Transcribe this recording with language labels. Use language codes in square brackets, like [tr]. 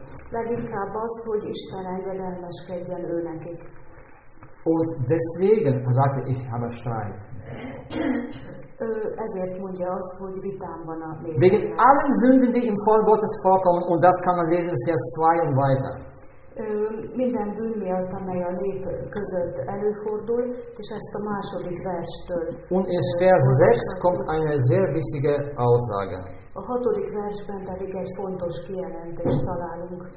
[hu] Leginkább az, hogy Isten engedelmeskedjen ő nekik. [de] Und deswegen, sagte ich, habe Streit. [hu] Ezért mondja azt, hogy vitám van a lényeg. [de] Wegen allen Sünden, die im Volk Gottes vorkommen, und das kann man lesen, Vers 2 und weiter. [hu] Minden bűn miatt, amely a nép között előfordul, és ezt a második verstől. [de] Und in Vers 6 kommt eine sehr wichtige Aussage. [hu] A hatodik versben pedig egy fontos kijelentést találunk.